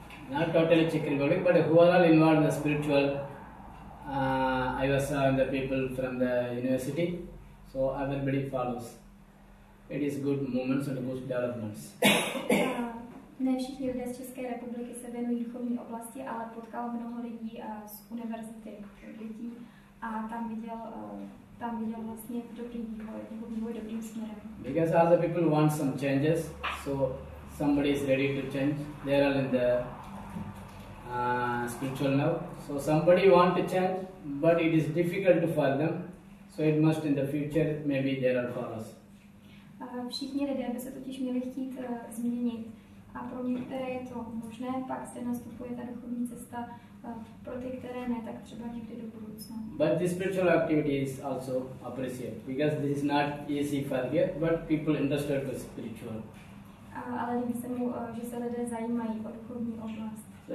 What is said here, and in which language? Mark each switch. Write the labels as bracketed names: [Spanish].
[English] Not totally Czech Republic, but who are all involved in the spiritual? I was around the people from the university, so everybody follows. It is good movements and good developments. [Czech] Ne všichni lidé z České republiky se věnují duchovní oblasti, ale potkal mnoho lidí z univerzity lidí a tam viděl vlastně dobrý vývoj dobrým směrem. [English] Because all the people want some changes, so somebody is ready to change. They are all in the spiritual now. So somebody want to change, but it is difficult to follow them. So it must in the future, maybe there are followers. [Czech] Všichni lidé by se totiž měli chtít změnit. A pro některé je to možné, pak se nastupuje ta duchovní cesta. Pro ty, které ne, tak třeba někdy do budoucna. [English] But this spiritual activity is also appreciated, because this is not easy for here, but people interested in spiritual. [Czech] Ale líbí se mu, že se lidé zajímají o duchovní oblast.